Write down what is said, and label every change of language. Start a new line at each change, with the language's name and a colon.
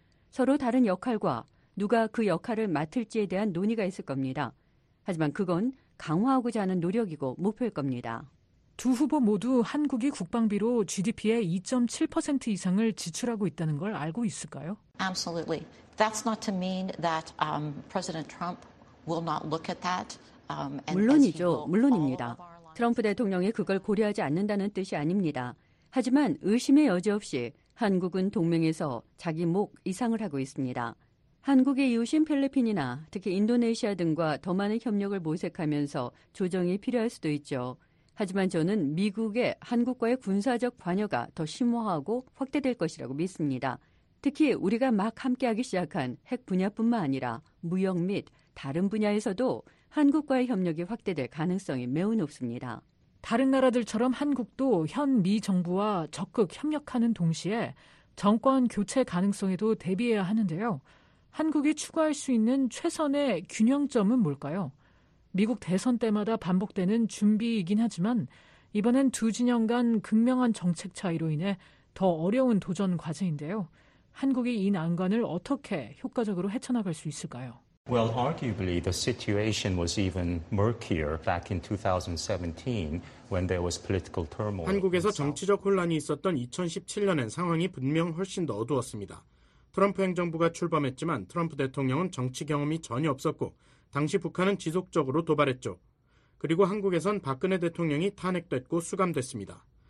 Korean: 서로 다른 역할과 누가 그 역할을 맡을지에 대한 논의가 있을 겁니다. 하지만 그건 강화하고자 하는 노력이고 목표일 겁니다. 두 후보 모두 한국이 국방비로 GDP의 2.7% 이상을 지출하고 있다는 걸 알고 있을까요?
English: Absolutely. That's not to mean that President Trump will not look at that.
Korean: 물론이죠. 물론입니다. 트럼프 대통령이 그걸 고려하지 않는다는 뜻이 아닙니다. 하지만 의심의 여지 없이 한국은 동맹에서 자기 목 이상을 하고 있습니다. 한국의 이웃인 필리핀이나 특히 인도네시아 등과 더 많은 협력을 모색하면서 조정이 필요할 수도 있죠. 하지만 저는 미국의 한국과의 군사적 관여가 더 심화하고 확대될 것이라고 믿습니다. 특히 우리가 막 함께하기 시작한 핵 분야뿐만 아니라 무역 및 다른 분야에서도 한국과의 협력이 확대될 가능성이 매우 높습니다. 다른 나라들처럼 한국도 현 미 정부와 적극 협력하는 동시에 정권 교체 가능성에도 대비해야 하는데요. 한국이 추구할 수 있는 최선의 균형점은 뭘까요? 미국 대선 때마다 반복되는 준비이긴 하지만 이번엔 두 진영 간 극명한 정책 차이로 인해 더 어려운 도전 과제인데요. 한국이 이 난관을 어떻게 효과적으로 헤쳐나갈 수 있을까요?
English: Well, arguably, the situation was even murkier back in 2017 when there was political turmoil.
Korean: 한국에서 정치적 혼란이 있었던 2017년엔 상황이 분명 훨씬 더 어두웠습니다. 트럼프 행정부가 출범했지만 트럼프 대통령은 정치 경험이 전혀 없었고 당시 북한은 지속적으로 도발했죠. 그리고 한국에선 박근혜 대통령이 탄핵됐고 수감됐습니다.